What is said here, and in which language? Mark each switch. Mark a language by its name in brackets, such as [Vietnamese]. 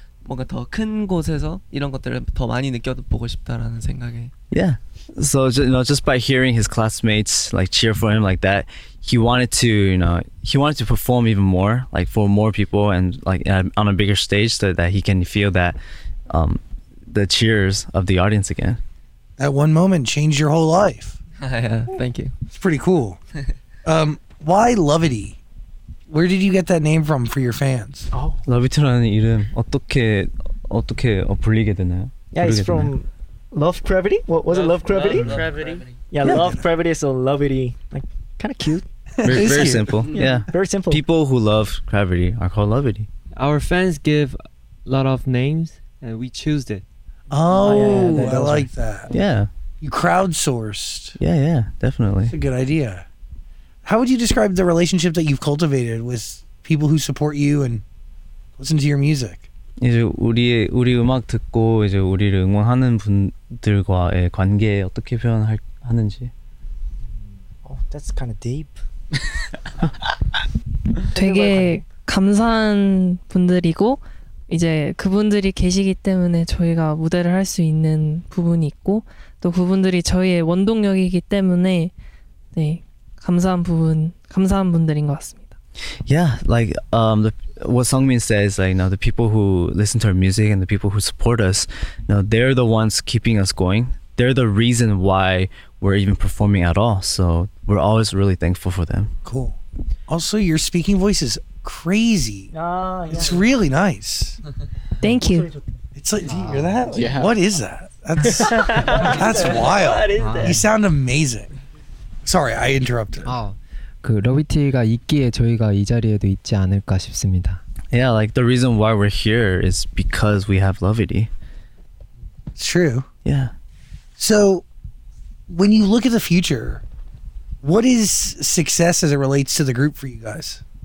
[Korean] 뭔가 더 큰 곳에서 이런 것들을 더 많이 느껴보고 싶다라는 생각에. [English] Yeah. So just, you know, just by hearing his classmates like cheer for him like that, he wanted to, you know, he wanted to perform even more, like for more people and like on a bigger stage, so that he can feel that, the cheers of the audience again. That one moment changed your whole life. Yeah, thank you. It's pretty cool. Why Lovity? Where did you get that name from for your fans? [Korean] Oh, Lovity라는 이름 어떻게 불리게 되나요? [English] Yeah, it's from Love Cravity. What was it? Love Cravity. Love Cravity. Yeah, Love Cravity. So Lovity, like, kind of cute. Very cute. Simple. Yeah. Very simple. People who love Cravity are called Lovity. Our fans give a lot of names, and we choose it. Oh, yeah, I like that. Yeah. You crowdsourced. Yeah, yeah, definitely. That's a good idea. How would you describe the relationship that you've cultivated with people who support you and listen to your music? [Korean] 이제 우리 음악 듣고 이제 우리를 응원하는 분들과의 관계 어떻게 표현하는지. [English] Oh, that's kind of deep. [Korean] 되게 감사한 분들이고 이제 그분들이 계시기 때문에 저희가 무대를 할 수 있는 부분이 있고 또 그분들이 저희의 원동력이기 때문에 네. 감사한 부분, 감사한 분들인 것 같습니다. [English] Yeah, like what Sungmin says, like, you know, the people who listen to our music and the people who support us, you know, they're the ones keeping us going. They're the reason why we're even performing at all. So we're always really thankful for them. Cool. Also, your speaking voice is crazy. Yeah. It's really nice. Thank you. It's like, do you hear that? Yeah. What is that? That's wild. What is that? You sound amazing. Sorry, I interrupted. [Korean] 아, 그 러비티가 있기에 저희가 이 자리에도 있지 않을까 싶습니다. [English] Yeah, like the reason why we're here is because we have Lovity. It's true. Yeah. So, when you look at the future, what is success as it relates to the group for you guys?